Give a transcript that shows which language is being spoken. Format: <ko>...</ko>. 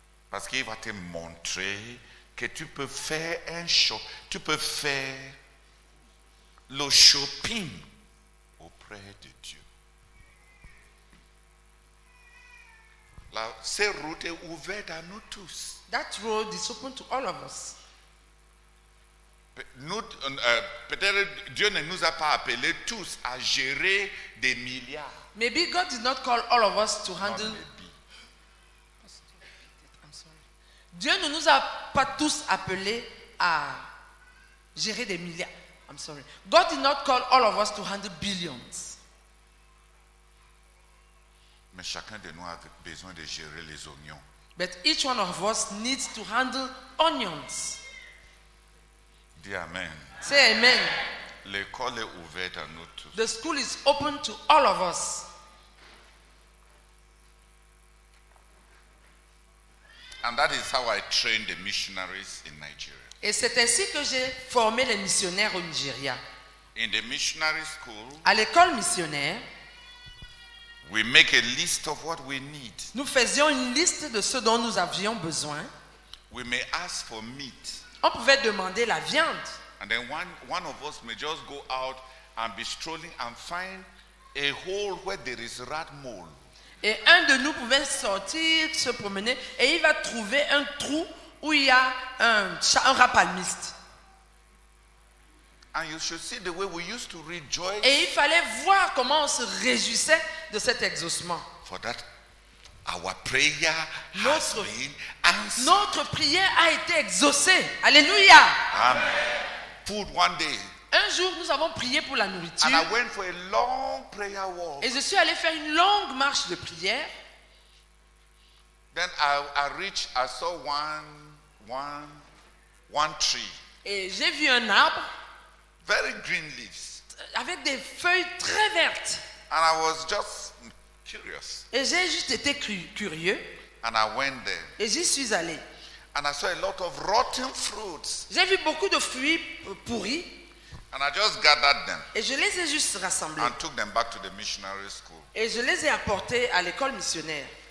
<fr>Parce qu'il va te montrer que tu peux faire un show, tu peux faire le shopping auprès de Dieu. Là, cette route est ouverte à nous tous.</fr> <en>That road is open to all of us.</en> <fr>Peut-être Dieu ne nous a pas appelés tous à gérer des milliards.</fr> <en>Maybe God did not call all of us to handle. Not maybe. I'm sorry.</en> <fr>Dieu ne nous a pas tous appelés à gérer des milliards.</fr> <en>I'm sorry. God did not call all of us to handle billions.</en> <fr>Mais chacun de nous a besoin de gérer les oignons.</fr> <en>But each one of us needs to handle onions.</en> <fr>Dis amen.</fr> <en>Say amen.</en> <fr>L'école est ouverte à nous tous.</fr> <en>The school is open to all of us. And that is how I train the missionaries in Nigeria.</en> <fr>Et c'est ainsi que j'ai formé les missionnaires au Nigeria.</fr> <en>In the missionary school,</en> <fr>à l'école missionnaire,</fr> <en>we make a list of what we need.</en> <fr>Nous faisions une liste de ce dont nous avions besoin.</fr> <en>We may ask for meat.</en> <fr>On pouvait demander la viande.</fr> <en>And then one of us may just go out and be strolling and find a hole where there is rat mold.</en> <fr>Et un de nous pouvait sortir, se promener, et il va trouver un trou où il y a un rat palmiste.</fr> <en>And you should see the way we used to rejoice.</en> <fr>Et il fallait voir comment on se réjouissait de cet exaucement.</fr> <en>For that, our prayer</en> <fr>notre,</fr> <en>has been answered.</en> <fr>Notre prière a été exaucée. Alléluia.</fr> <en>Amen. Food one day.</en> <fr>Un jour, nous avons prié pour la nourriture.</fr> <en>And I went for a long prayer walk.</en> <fr>Et je suis allé faire une longue marche de prière.</fr> <en>Then I reached, I saw one tree.</en> <fr>Et j'ai vu un arbre.</fr> <en>Very green leaves.</en> <fr>Avec des feuilles très vertes.</fr> <en>And I was just curious.</en> <fr>Et j'ai juste été curieux.</fr> <en>And I went there.</en> <fr>Et j'y suis allé.</fr> <en>And I saw a lot of rotten fruits.</en> <fr>J'ai vu beaucoup de fruits pourris.</fr> <en>And I just gathered them.</en> <fr>Et je les ai juste rassemblés.</fr> <en>And took them back to the missionary school.</en> <fr>Et je les ai apportés à l'école missionnaire.</fr>